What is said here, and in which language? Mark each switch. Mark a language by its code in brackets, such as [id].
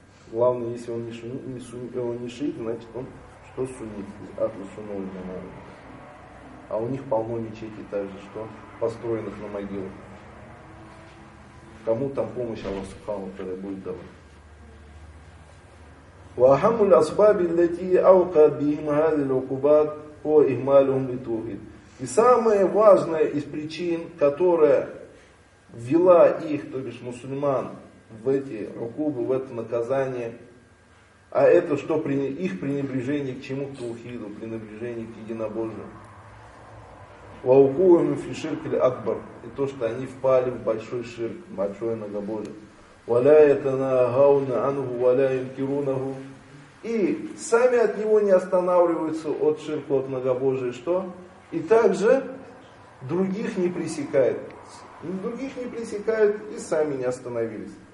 [ru] Главное, если он не шиит, значит он что суннит? Атлусунули на могилу. А у них полно мечетей также, что построенных на могилах. Кому там помощь Аллах Субхану Тааля будет давать? [ar] وأهم الأسباب التي أوقعت بهم هذه العقوبات هو إهمالهم للتوحيد. [ru] И самая важная из причин, которая ввела их, то бишь мусульман, в эти укубы, в это наказание, а это что их пренебрежение к чему? К тухиду, пренебрежение к единобожию. [ar] وأوقعهم في الشرك الأكبر. [ru] И то, что они впали в большой ширк, большое многобожие. [ar] وَلَا يَتَنَاهَوْنَ عَنْهُ وَلَا يُنْكِرُونَهُ. [ru] И сами от него не останавливаются, от ширка, от многобожия, что? И также других не пресекает. Других не пресекает и сами не остановились.